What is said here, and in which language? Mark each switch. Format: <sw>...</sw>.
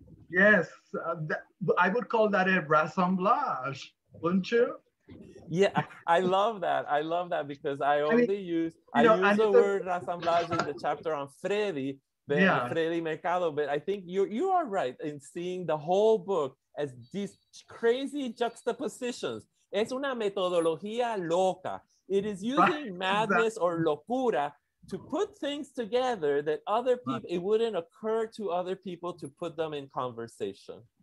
<en>Yes, I would call that a rassemblage, wouldn't you? Yeah, I love that. I love that because I only use the word rassemblage in the chapter on Freddy, Freddy Mercado, but I think you are right in seeing the whole book as these crazy juxtapositions.</en> <es>Es una metodología loca.</es> <en>It is using madness or locura to put things together that other people, it wouldn't occur to other people to put them in conversation.</en>